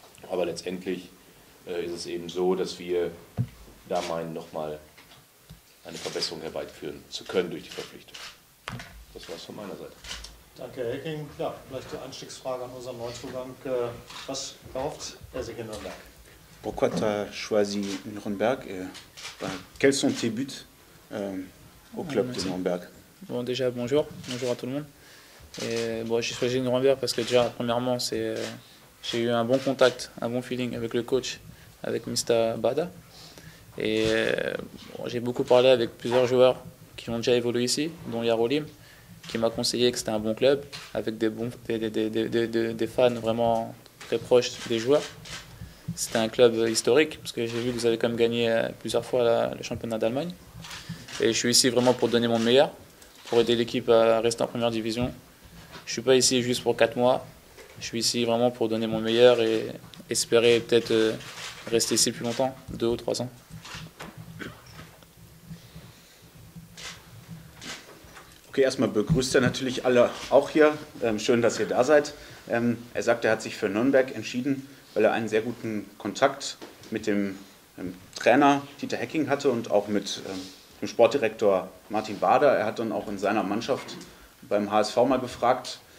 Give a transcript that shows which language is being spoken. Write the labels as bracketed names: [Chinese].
[German] Aber letztendlich ist es eben so, dass wir da meinen, nochmal eine Verbesserung herbeiführen zu können durch die Verpflichtung. Das war es von meiner Seite. Danke, Herr Hecking. Ja, vielleicht die Einstiegsfrage an unseren Neuzugang. Was erhofft er sich in Nürnberg? [French] Pourquoi tu as choisi Nürnberg? Quels sont tes buts au club de Nürnberg? Bon, déjà, bonjour. Bonjour à tout le monde. Et bon, j'ai choisi Nürnberg parce que déjà, premièrement, j'ai eu un bon contact, un bon feeling avec le coach, avec Mr. Bada. Et bon, j'ai beaucoup parlé avec plusieurs joueurs qui ont déjà évolué ici, dont Yarolim, qui m'a conseillé que c'était un bon club, avec des fans vraiment très proches des joueurs. C'était un club historique, parce que j'ai vu que vous avez quand même gagné plusieurs fois le championnat d'Allemagne. Et je suis ici vraiment pour donner mon meilleur, pour aider l'équipe à rester en première division. Je ne suis pas ici juste pour 4 mois, je suis ici vraiment pour donner mon meilleur et espérer peut-être rester ici plus longtemps, 2 ou 3 ans. [German] Okay, erstmal begrüßt er natürlich alle auch hier. Schön, dass ihr da seid. Er sagt, er hat sich für Nürnberg entschieden, weil er einen sehr guten Kontakt mit dem Trainer Dieter Hecking hatte und auch mit dem Sportdirektor Martin Bader. Er hat dann auch in seiner Mannschaft beim HSV mal gefragt.